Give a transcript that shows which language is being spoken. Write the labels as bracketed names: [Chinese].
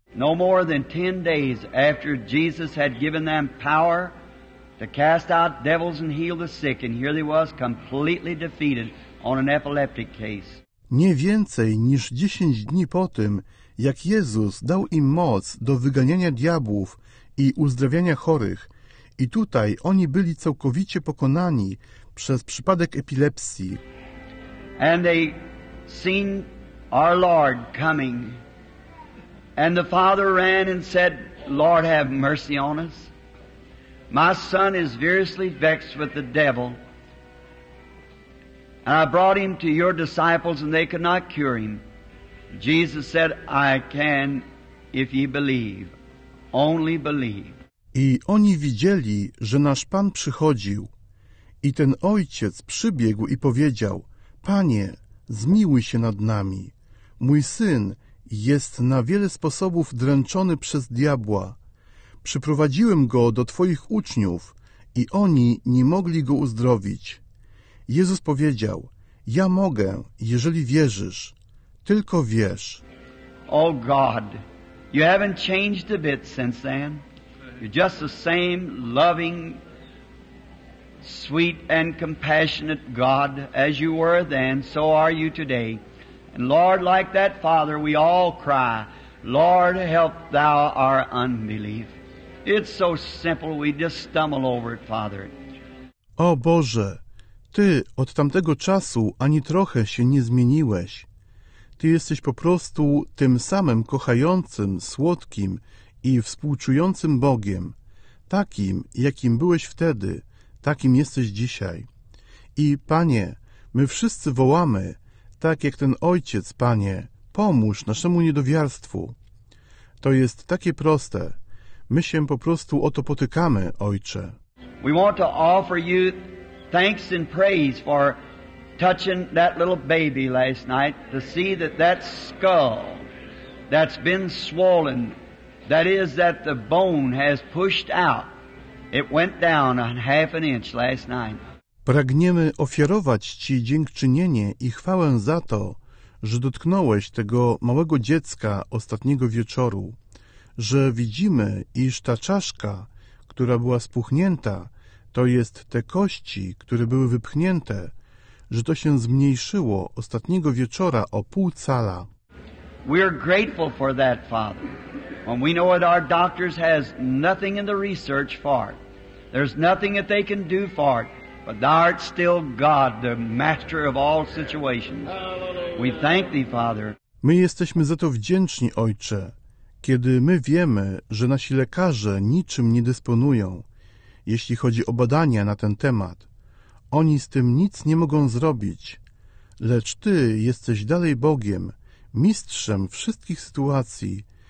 [English] No more than 10 days after Jesus had given them power to cast out devils and heal the sick, and here they was completely defeated on an epileptic case. [Polish] Nie więcej niż 10 dni po tym, jak Jezus dał im moc do wyganiania diabłów i uzdrawiania chorych, i tutaj oni byli całkowicie pokonani przez przypadek epilepsji. [English] And they seen our Lord coming, and the father ran and said, Lord, have mercy on us. My son is variously vexed with the devil, and I brought him to your disciples, and they could not cure him. Jesus said, I can if ye believe. Only believe. [Polish] I oni widzieli, że nasz Pan przychodził. I ten ojciec przybiegł i powiedział, Panie, zmiłuj się nad nami. Mój syn jest na wiele sposobów dręczony przez diabła. Przyprowadziłem go do Twoich uczniów i oni nie mogli go uzdrowić. Jezus powiedział, ja mogę, jeżeli wierzysz. Tylko wierz. [English] O God, you haven't changed a bit since then. You're just the same loving sweet and compassionate God, as you were then, so are you today. And Lord, like that father, we all cry, Lord, help thou our unbelief. It's so simple, we just stumble over it, Father. [Polish] O Boże, Ty od tamtego czasu ani trochę się nie zmieniłeś. Ty jesteś po prostu tym samym kochającym, słodkim i współczującym Bogiem, takim, jakim byłeś wtedy, takim jesteś dzisiaj. I Panie, my wszyscy wołamy, tak jak ten ojciec, Panie, pomóż naszemu niedowiarstwu. To jest takie proste. My się po prostu o to potykamy, Ojcze. [English] We want to offer you thanks and praise for touching that little baby last night, to see that that skull that's been swollen, that is that the bone has pushed out, it went down a half an inch last night. [Polish] Pragniemy ofiarować Ci dziękczynienie i chwałę za to, że dotknąłeś tego małego dziecka ostatniego wieczoru, że widzimy, iż ta czaszka, która była spuchnięta, to jest te kości, które były wypchnięte, że to się zmniejszyło ostatniego wieczora o pół cala. [English] We are grateful for that, Father. When we know that our doctors has nothing in the research for it, there's nothing that they can do for it, but thou art still God, the master of all situations. We thank thee, Father. [Polish] My jesteśmy za to wdzięczni, Ojcze, kiedy my wiemy, że nasi lekarze niczym nie dysponują, jeśli chodzi o badania na ten temat. Oni z tym nic nie mogą zrobić, lecz Ty jesteś dalej Bogiem, mistrzem wszystkich sytuacji.